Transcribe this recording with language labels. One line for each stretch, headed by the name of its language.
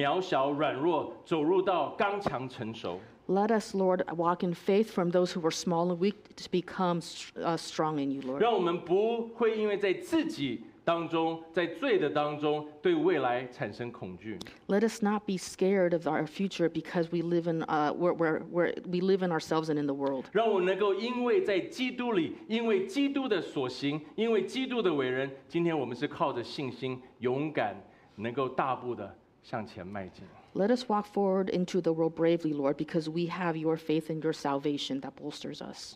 Chinese: 主，让我们在信心上面从渺小软弱走入到刚强成熟。
English: Let us, Lord, walk in faith from those who were small and weak to become strong in you, Lord.
Chinese: 让我们不会因为在自己当中，在罪的当中对未来产生恐惧。
English: Let us not be scared of our future because we live in ourselves and in the world.
Chinese: 让我能够因为在基督里，因为基督的所行，因为基督的为人，今天我们是靠着信心，勇敢能够大步的向前迈进。
English: Let us walk forward into the world bravely, Lord, because we have your faith and your salvation that bolsters us.